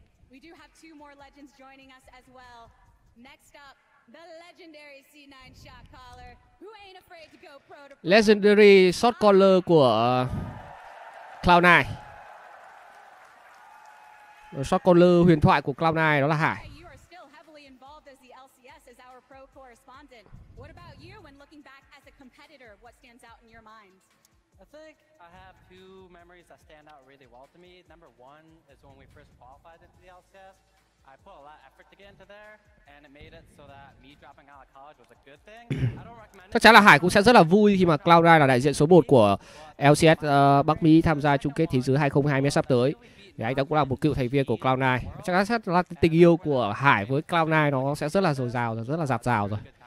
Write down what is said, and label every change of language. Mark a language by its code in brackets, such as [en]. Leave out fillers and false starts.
[en] We do have two more legends joining us as well. Next up, the legendary C9 shot caller who ain't afraid to go pro. Legendary shot caller của Cloud9. [vi] Shot caller huyền thoại của Cloud9 đó là Hải. [en] You are still heavily involved as the LCS as our pro correspondent. What about you when looking back as a competitor, what stands out in your mind? I think I have two memories that stand out really well to me. Number one is when we first qualified into the LCS. I put a lot of effort to get into there and it made it so that me dropping out of college was a good thing. [vi] Chắc chắn là Hải cũng sẽ rất là vui khi mà Cloud9 là đại diện số 1 của LCS Bắc Mỹ tham gia chung kết thế giới 2020 sắp tới. Thì anh ta cũng là một cựu thành viên của Cloud9. Chắc chắn là tình yêu của Hải với Cloud9 nó sẽ rất là dồi dào, rất là dạt dào rồi.